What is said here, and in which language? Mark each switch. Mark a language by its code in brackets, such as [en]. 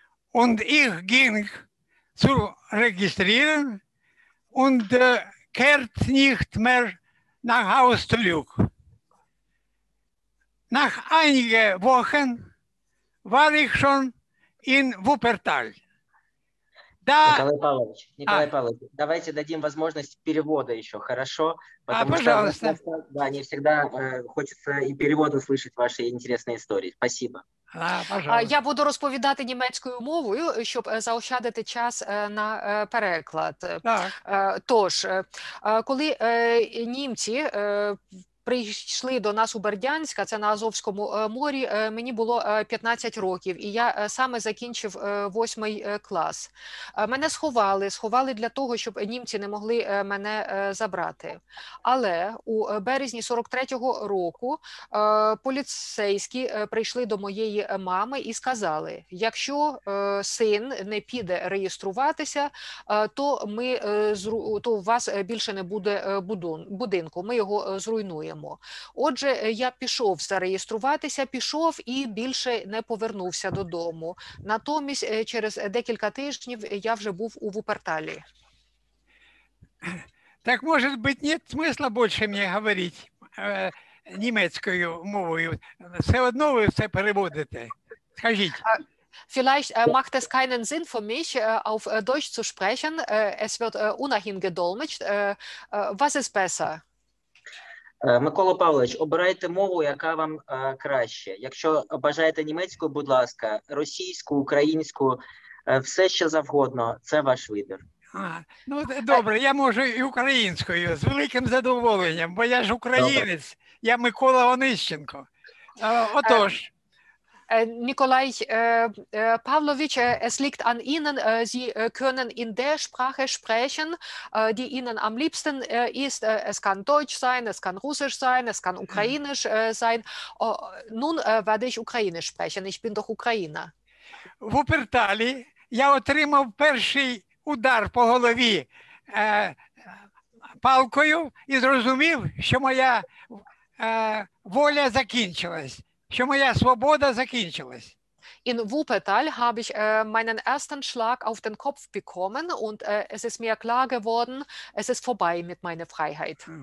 [de] Und ich ging zu Registrieren und kehrt nicht mehr nach Haus zurück. Nach einigen Wochen war ich schon in Wuppertal. [ru] Да. Николай Павлович, Николай Павлович, давайте дадим возможность перевода еще, хорошо? Потому пожалуйста. Что, да, не всегда хочется и перевода слышать ваши интересные истории. Спасибо. [uk] Я буду розповідати німецькою мовою, щоб заощадити час на переклад. Тож, коли німці прийшли до нас у Бердянська, це на Азовському морі, мені було 15 років, і я саме закінчив 8 клас. Мене сховали, сховали для того, щоб німці не могли мене забрати. Але у березні 43-го року поліцейські прийшли до моєї мами і сказали, якщо син не піде реєструватися, то у вас більше не буде будинку, ми його зруйнуємо. Отже, я пішов зареєструватися, пішов і більше не повернувся додому. Натомість, через декілька тижнів я вже був у Вуперталі. Так, може бути, [ru] нет смысла [uk] більше мені говорити німецькою мовою. Все одно ви все переводите. Скажіть. [de] Vielleicht macht es keinen Sinn für mich, auf Deutsch zu sprechen. Es wird unahin gedolmetscht. Was ist besser? [uk] Микола Павлович, обирайте мову, яка вам краще. Якщо бажаєте німецьку, будь ласка, російську, українську, все, що завгодно, це ваш вибір. Ну, добре, я можу і українською, з великим задоволенням, бо я ж українець, добре. Я Микола Онищенко. Отож. [de] Николай Павлович, es liegt an Ihnen, Sie können in der Sprache sprechen, die Ihnen am liebsten ist. Es kann Deutsch sein, es kann Russisch sein, es kann Ukrainisch sein. Nun werde ich Ukrainisch sprechen, ich bin doch Ukrainer. [uk] В Уперталі я отримав перший удар по голові палкою і зрозумів, що моя воля закінчилась. Що моя свобода закінчилась. [de] In Wuppertal habe ich meinen ersten Schlag auf den Kopf bekommen und es ist mir klar geworden, es ist vorbei mit meiner Freiheit.